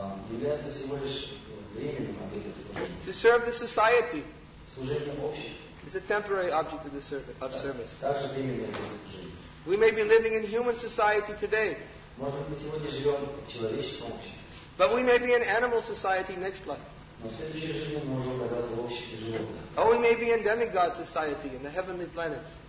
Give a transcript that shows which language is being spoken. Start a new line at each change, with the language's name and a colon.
Russian: является всего лишь временным объектом служения.
English: To serve the society.
Russian: Служение обществу.
English: It's a temporary object of, the service, of service.
Russian: Также временное служение.
English: We may be living in human society today.
Russian: Может быть, мы сегодня живем в человеческом обществе.
English: But we may be in animal society next life. Or we may be in demigod society in the heavenly planets.